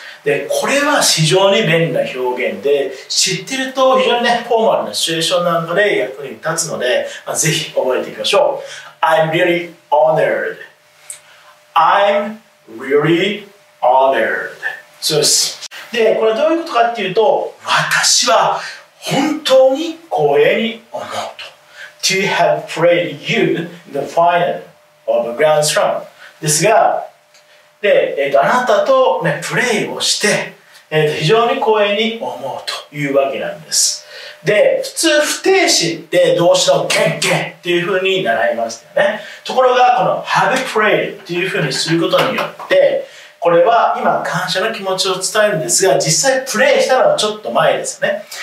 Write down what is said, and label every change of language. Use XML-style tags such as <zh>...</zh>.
<ja>で、これは非常に便利な表現で、知ってると非常にね、フォーマルなシチュエーションなんかで役に立つので、まあ、ぜひ覚えていきましょう。</ja> <en>I'm really honored. I'm really honored.</en> <ja>そうです。で、これはどういうことかっていうと、私は本当に光栄に思うと。</ja> <en>To have played you in the final of a Grand Slam.</en> <ja>ですが、で、あなたと、ね、プレイをして、非常に光栄に思うというわけなんです。で、普通不定詞で動詞のけんけんっていうふうに習いましたよね。ところがこの have prayed っていうふうにすることによって、これは今感謝の気持ちを伝えるんですが、実際プレイしたのはちょっと前ですね。</ja>